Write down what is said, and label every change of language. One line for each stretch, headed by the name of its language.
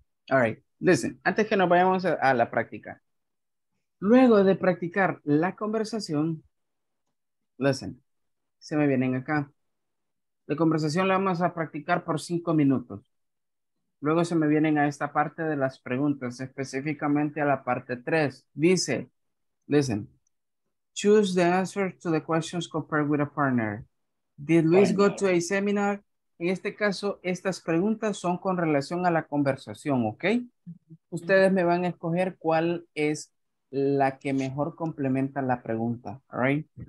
English: All right, listen,
Spanish: antes que nos vayamos a la práctica. Luego de practicar la conversación, listen, se me vienen acá. La conversación la vamos a practicar por 5 minutos. Luego se me vienen a esta parte de las preguntas, específicamente a la parte 3. Dice,
English: listen, choose the answer to the questions compared with a partner. Did Luis go to a seminar?
Spanish: En este caso, estas preguntas son con relación a la conversación, ¿ok? Ustedes me van a escoger cuál es la que mejor complementa la pregunta,
English: ¿all right?